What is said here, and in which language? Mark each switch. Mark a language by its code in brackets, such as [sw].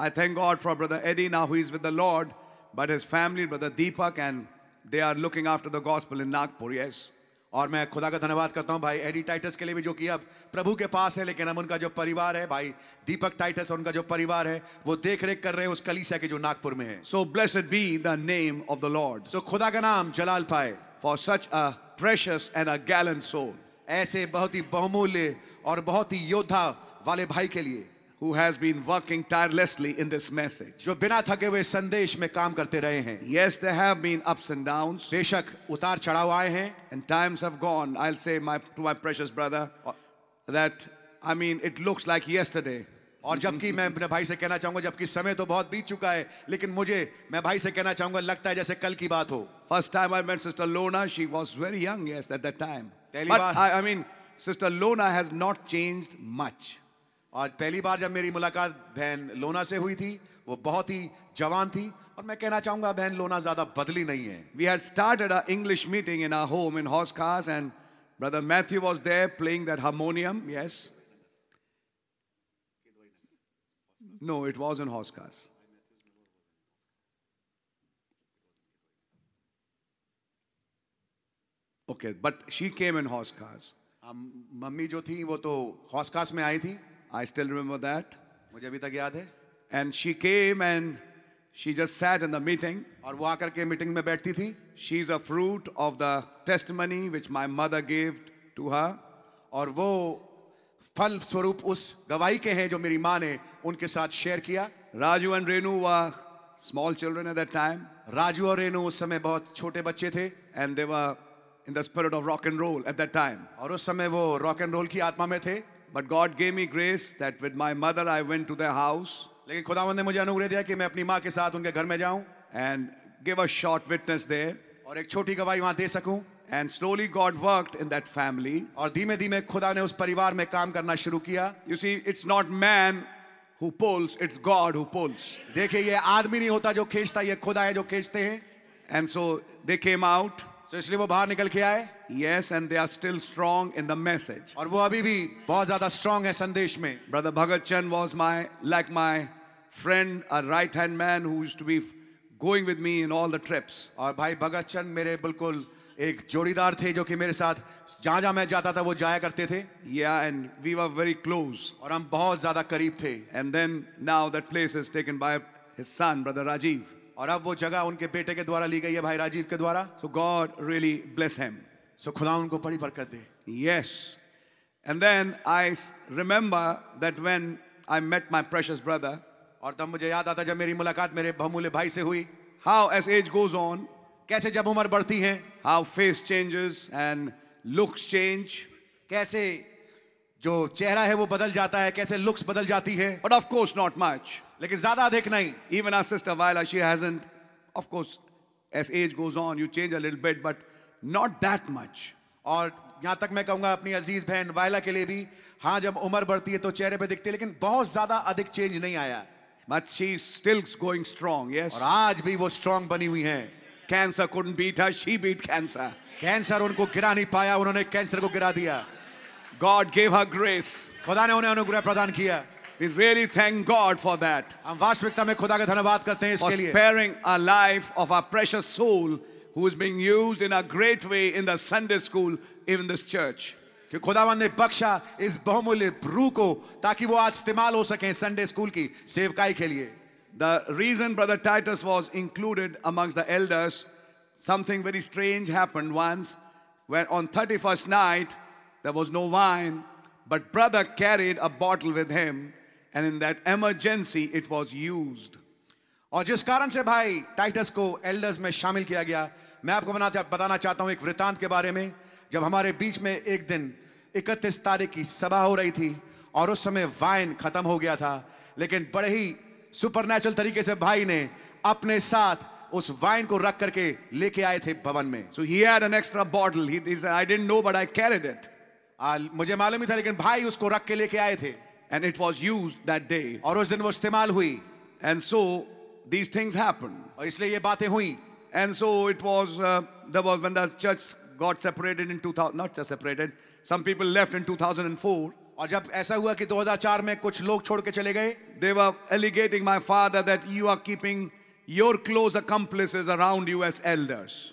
[en] I thank God for brother Eddie now who is with the Lord, but his family brother Deepak and they are looking after the gospel in Nagpur, yes. [hi] और मैं खुदा का धन्यवाद करता हूँ भाई AD Titus के लिए भी, जो कि अब प्रभु के पास है. लेकिन अब उनका जो परिवार है, भाई दीपक टाइटस, उनका जो परिवार है, वो देख रेख कर रहे हैं उस कलीसिया के जो नागपुर में है. [en] So blessed be the name of the lord. [hi] सो खुदा का नाम जलाल पाए. [en] For such a precious and a gallant soul. [hi] ऐसे बहुत ही बहुमूल्य और बहुत ही योद्धा वाले भाई के लिए. [en] Who has been working tirelessly in this message? [hi] जो बिना थके हुए संदेश में काम करते रहे हैं. [en] Yes, there have been ups and downs. [hi] बेशक उतार चढ़ाव आए हैं. [en] And times have gone. I'll say to my precious brother that I mean it looks like yesterday. [hi] और जबकि मैं अपने भाई से कहना चाहूंगा, जबकि समय तो बहुत बीत चुका है, लेकिन मुझे मैं भाई से कहना चाहूंगा लगता है जैसे कल की बात हो. [en] First time I met Sister Lona, she was very young. Yes, at that time. [hi] पहली बार. [en] But I mean Sister Lona has not changed much. [hi] और पहली बार जब मेरी मुलाकात बहन लोना से हुई थी, वो बहुत ही जवान थी. और मैं कहना चाहूंगा बहन लोना ज्यादा बदली नहीं है. [en] We had started a English meeting in our home in Hoskars and brother Matthew was there playing that harmonium. Yes. No, it was in Hoskars. Okay, but she came in Hoskars. [hi] Mummy जो थी वो तो Hoskars में आई थी. [en] I still remember that. [hi] मुझे अभी तक याद है. [en] And she came and she just sat in the meeting. [hi] और वो आकर के मीटिंग में बैठती थी. [en] She is a fruit of the testimony which my mother gave to her. [hi] और वो फल स्वरूप उस गवाही के हैं जो मेरी माँ ने उनके साथ शेयर किया. [en] Raju and Renu were small children at that time. [hi] Raju और रेनू उस समय बहुत छोटे बच्चे थे. [en] And they were in the spirit of rock and roll at that time. [hi] और उस समय वो रॉक एंड रोल की आत्मा में थे. [en] But God gave me grace that with my mother I went to their house. [hi] लेकिन खुदावंद ने मुझे अनुग्रह दिया कि मैं अपनी माँ के साथ उनके घर में जाऊँ. [en] And give a short witness there. [hi] और एक छोटी गवाही वहाँ दे सकूँ. [en] And slowly God worked in that family. [hi] और धीमे-धीमे खुदा ने उस परिवार में काम करना शुरू किया. [en] You see, it's not man who pulls, it's God who pulls. [hi] देखिए, ये आदमी नहीं होता जो खींचता, ये खुदा है जो खींचते हैं. [en] And so they came out. [hi] So, इसलिए वो बाहर निकल के आए. [en] Yes, and they are still strong in the message. [hi] और वो अभी भी बहुत ज्यादा strong है संदेश में. [en] Brother Bhagat Chand was my friend, a right hand man who used to be going with me in all the trips. [hi] और भाई भगत चंद मेरे बिल्कुल एक जोड़ीदार थे जो कि मेरे साथ जहां जहां मैं जाता था वो जाया करते थे. [en] Yeah, and we were very close. [hi] और हम बहुत ज्यादा करीब थे. [en] And then now that place is taken by his son, Brother Rajiv. [hi] और अब वो जगह उनके बेटे के द्वारा ली गई है, भाई राजीव के द्वारा. [en] So God really bless him. [hi] सो खुदा उनको बड़ी बरकत दे. [en] yes, And then I remember that when I met my precious brother, [hi] और तब मुझे याद आता जब मेरी मुलाकात मेरे बहुमूल्य भाई से हुई. [en] How as age goes on, [hi] कैसे जब उम्र बढ़ती है, [en] how face changes and looks change, [hi] कैसे जो चेहरा है वो बदल जाता है, कैसे looks बदल जाती है. [en] But of course not much, [hi] लेकिन ज़्यादा अधिक नहीं. [en] Even our sister Viola, she hasn't, of course as age goes on you change a little bit, but not that much. [hi] और यहां तक मैं कहूंगा अपनी अजीज बहन वायला के लिए भी, हाँ जब उम्र बढ़ती है तो चेहरे पे दिखती है, लेकिन बहुत ज्यादा अधिक चेंज नहीं आया. [en] But she's still going strong, yes. [hi] और आज भी वो स्ट्रॉन्ग बनी हुई है. [en] Cancer couldn't beat her, she beat cancer. [hi] Cancer उनको गिरा नहीं पाया, उन्होंने कैंसर को गिरा दिया. [en] God gave her grace. [hi] खुदा ने उन्हें अनुग्रह प्रदान किया. [en] We really thank God for that. [hi] हम वास्तविकता में खुदा का धन्यवाद करते हैं इसके लिए. [en] Sparing a life of our precious soul who is being used in a great way in the Sunday school, even this church. [hi] कि खुदावन ने बख्शा इस बहुमूल्य रूह को ताकि वो आज इस्तेमाल हो सके संडे स्कूल की सेवकाई के लिए. [en] The reason brother Titus was included amongst the elders, something very strange happened once when on 31st night there was no wine, but brother carried a bottle with him and in that emergency it was used. [hi] और जिस कारण से भाई Titus को elders में शामिल किया गया, मैं आपको बताना चाहता हूं एक वृतांत के बारे में. जब हमारे बीच में एक दिन 31 तारीख की सभा हो रही थी और उस समय वाइन खत्म हो गया था, लेकिन बड़े ही सुपरनेचुरल तरीके से भाई ने अपने साथ उस वाइन को रख करके लेके आए थे भवन में. [en] So he had an extra bottle, he said I didn't know but I carried it. [hi] मुझे मालूम ही था, लेकिन भाई उसको रख के लेके आए थे. [en] and it was used that day, [hi] और उस दिन वो इस्तेमाल हुई. [en] and so these things happened, [hi] aur isliye ye baatein hui. [en] And so it was there was when the church got separated in 2000, not just separated, some people left in 2004, [hi] aur jab aisa hua ki 2004 mein kuch log chhod ke chale gaye, [en] they were alleging my father that you are keeping your close accomplices around you as elders,